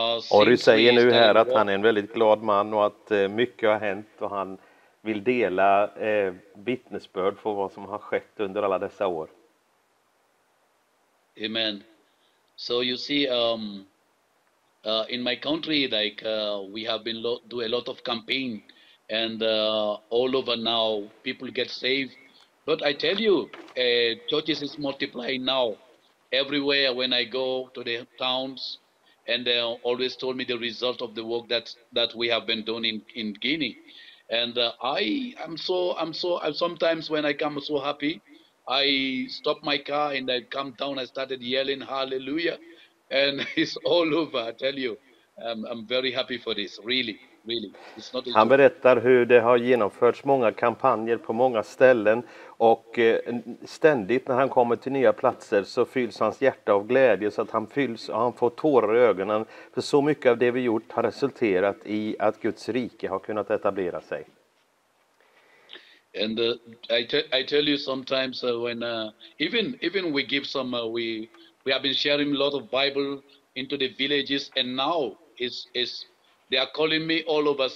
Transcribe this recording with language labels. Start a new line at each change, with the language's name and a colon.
Swedish: Och du säger nu här att han är en väldigt glad man och att mycket har hänt och han vill dela vittnesbörd för vad som har skett under alla dessa år. Amen.
English: So you see, in my country, like we have been do a lot of campaign and all over now people get saved. But I tell you, churches is multiplying now. Everywhere when I go to the towns, and they always told me the result of the work that we have been doing in Guinea, and I'm sometimes when I come so happy, I stop my car and I come down. I started yelling hallelujah, and it's all over. I tell you, I'm very happy for this. Really, really. It's not.
Swedish: Han berättar hur det har genomförts många kampanjer på många ställen. Och ständigt när han kommer till nya platser så fylls hans hjärta av glädje så att han fylls och han får tårar i ögonen. För så mycket av det vi gjort har resulterat i att Guds rike har kunnat etablera sig.
English: And I tell you sometimes when even we give some we have been sharing a lot of Bible into the villages and now is they are calling me all over.